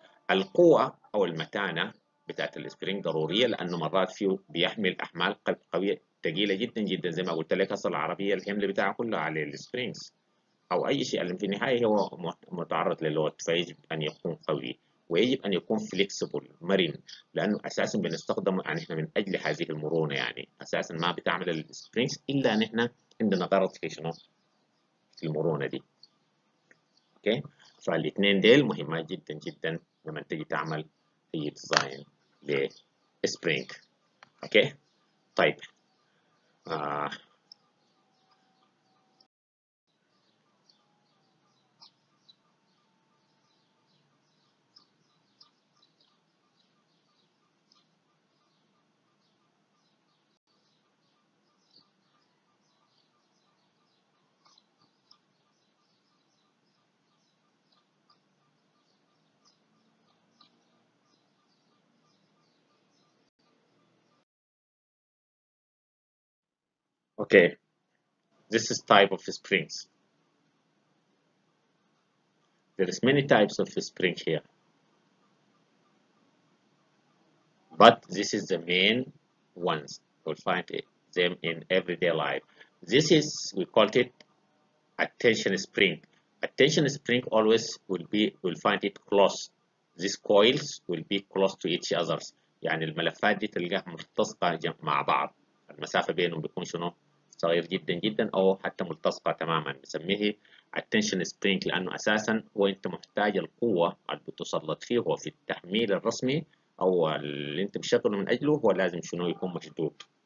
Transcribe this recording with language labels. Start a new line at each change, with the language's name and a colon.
Arabic: القوه او المتانه بتاعت السبرينج ضروريه لانه مرات فيه بيحمل احمال قويه ثقيله جدا جدا زي ما قلت لك، اصل العربيه الحمل بتاعها كله على السبرينجز او اي شيء اللي في النهايه هو متعرض للود، فيجب ان يكون قوي ويجب ان يكون فليكسيبل مرن لانه اساسا بنستخدمه يعني احنا من اجل هذه المرونه، يعني اساسا ما بتعمل السبرينجز الا ان احنا عندنا غرض في شنو؟ في المرونه دي. اوكي؟ فالاثنين ديل مهمه جدا جدا لما تيجي تعمل اي ديزاين لسبرينج. اوكي؟ طيب
English: okay, this is type of springs. There is many types of spring here, but this is the main ones. You'll find them in everyday life. This is we called it a tension spring. A tension spring always will be will find it close. These coils will be close to each other.
Arabic: يعني الملفات دي تلقاها ملتصقة مع بعض. المسافة بينهم بيكون شنو؟ صغير جدا جدا او حتى ملتصقه تماما، بنسميه التنشن سبرينج لانه اساسا هو انت محتاج القوه اللي بتسلط فيه هو في التحميل الرسمي او اللي انت مشغله من اجله هو لازم شنو يكون مشدود.